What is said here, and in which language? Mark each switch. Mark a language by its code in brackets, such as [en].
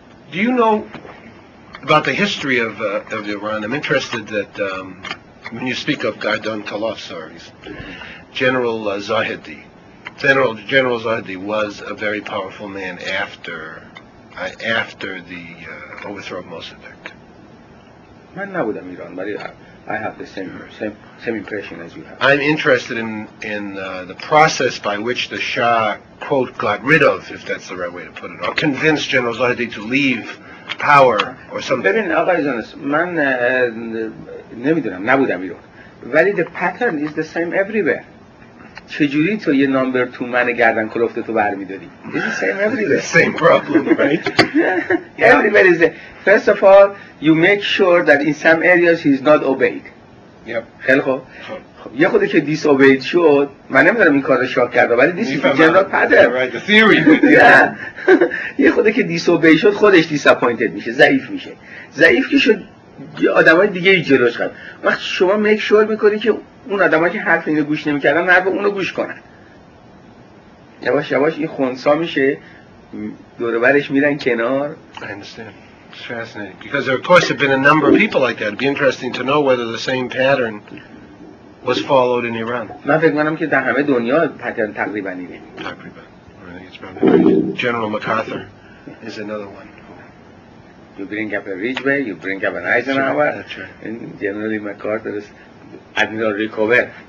[en] do you know about the history of Iran I'm interested that when you speak of Gardan Khalaf sorry General Zahedi General Zahedi was a very powerful man after the overthrow of Mossadegh. Man, now with Iran, but I have the same impression as you have. I'm interested in the process by which the Shah quote got rid of, if that's the right way to put it, or convinced General Zahedi to leave power or something. [fa] Man, نمیدونم نبودم ایران. [en] ولی the pattern is the same everywhere. [fa] چجوری تو یه نمبر تو من گردن کلفت تو برمیداری؟ [en] This is the same everywhere. The same problem, right? Everywhere is there. First of all, you make sure that in some areas he's not obeyed. Yep. [fa] خیلی خوب. خب. یه خودی که disobeyed شد، من نمیدارم این کار رو شاک کرده، ولی [en] this is the general pattern. Right, the theory. Yeah. [fa] یه خودی که disobeyed شد، خودش disappointed میشه، ضعیف میشه. ضعیف که شد، آدم های دیگه جلوش خواهد. وقتی شما make sure میکنی که اون آدم ها که حرف اینو گوش نمی کردن حرف اونو گوش کنن یواش یواش این خونسا میشه دوربرش میرن کنار [en] I understand it's fascinating because there of course have been a number of people like that it'd be interesting to know whether the same pattern was followed in Iran [fa] من فکر میکنم که در همه دنیا پترن تقریبا اینه [en] تقریبا I think it's probably General MacArthur is another one you bring up a Ridgway you bring up an Eisenhower that's right, that's right. and generally MacArthur is Admiral Rickover.